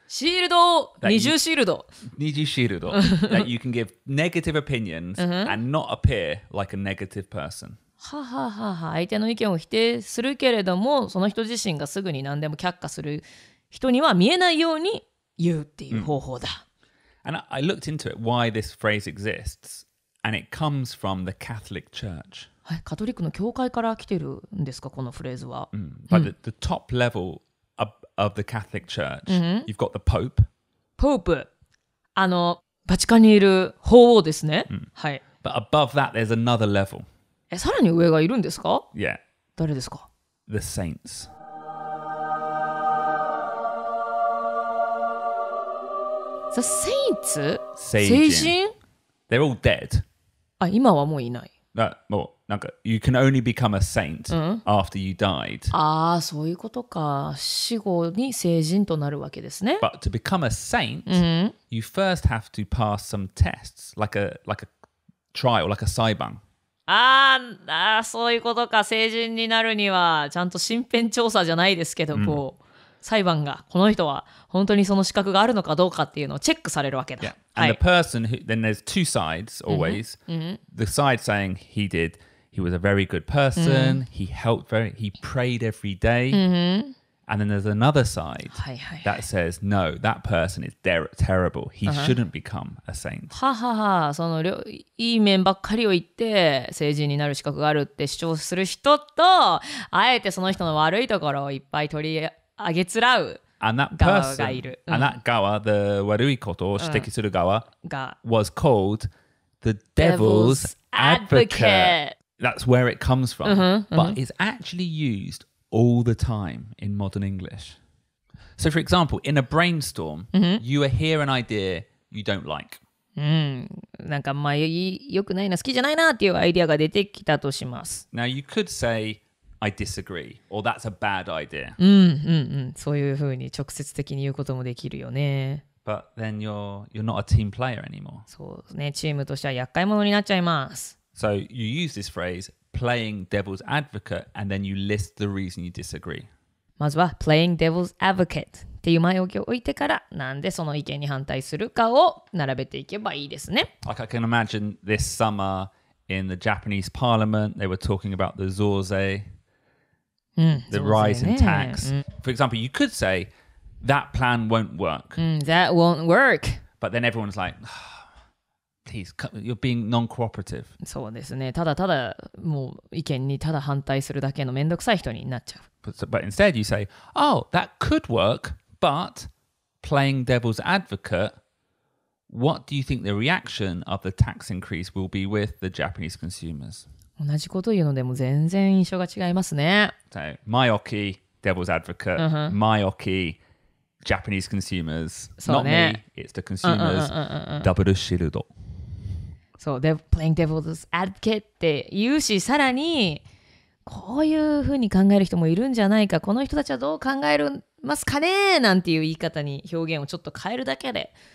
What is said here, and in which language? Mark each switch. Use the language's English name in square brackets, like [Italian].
[Japanese] シールド二重シールド [English] 二重シールド that you can give negative opinions and not appear like a negative person [Japanese] ははは相手の意見を否定するけれどもその人自身がすぐに何でも却下する人には見えないように言うっていう方法だ、 [English] And I looked into it why this phrase exists And it comes from the Catholic Church. [Japanese] カトリックの教会から来てるんですか、このフレーズは。 [English] But the top level of the Catholic Church, you've got the Pope. Pope. [Japanese] あの、バチカンにいる法王ですね。はい。 [English] But above that, there's another level. [Japanese] え、さらに上がいるんですか？ [English] Yeah. [Japanese] 誰ですか？ [English] The saints. The saints? 聖人?They're all dead. [Japanese] あ、今はもういない。 [English] No, well, なんか you can only become a saint after you died. [Japanese] あー、そういうことか。死後に聖人となるわけですね。 [English] But to become a saint, you first have to pass some tests, like a trial, like a 裁判。 [Japanese] あー、そういうことか。聖人になるには、ちゃんと身辺調査じゃないですけど、こう。裁判がこの人は本当にその資格があるのかどうかっていうのをチェックされるわけだ。 [English] Yeah. And the person who, then there's two sides always. The side saying he did, he was a very good person. He helped very, he prayed every day. And then there's another side that says, no, that person is terrible. He shouldn't become a saint. [Japanese] ははは、その良い面ばっかりを言って、聖人になる資格があるって主張する人と、あえてその人の悪いところをいっぱい取り、あげつらう側がいる。 [English] And that person, and that 側、the [Japanese] 悪いことを指摘する側、 [English] was called the devil's advocate. That's where it comes from. But it's actually used all the time in modern English. So for example, in a brainstorm, you hear an idea you don't like. [Japanese] なんかまあ、よくないな、好きじゃないなっていうアイデアが出てきたとします。 [English] Now you could say,I disagree, or that's a bad idea. [Japanese] そういうふうに直接的に言うこともできるよね。 [English] But then you're not a team player anymore. [Japanese] そうね、チームとしては厄介者になっちゃいます。 [English] So you use this phrase, playing devil's advocate, and then you list the reason you disagree. [Japanese] まずは、playing devil's advocate っていう前置きを置いてから、なんでその意見に反対するかを並べていけばいいですね。 [English] Like I can imagine this summer... In the Japanese parliament, they were talking about the zorzei, the rise in tax. For example, you could say, that plan won't work. That won't work. But then everyone's like, please, you're being non-cooperative. [Japanese] そうですね。ただただ、もう意見にただ反対するだけの面倒くさい人になっちゃう。 [English] But instead you say, oh, that could work, but playing devil's advocate... What do you think the reaction of the tax increase will be with the Japanese consumers? [Japanese] 同じこと言うのでも全然印象が違いますね。 [English] So, Myoki, devil's advocate, Myoki, Japanese consumers. [Japanese] そうね。 [English] Not me, it's the consumers. Double shield. [Japanese] So, playing devil's advocate って言うし、さらにこういうふうに考える人もいるんじゃないか、この人たちはどう考えるますかね、なんていう言い方に表現をちょっと変えるだけで。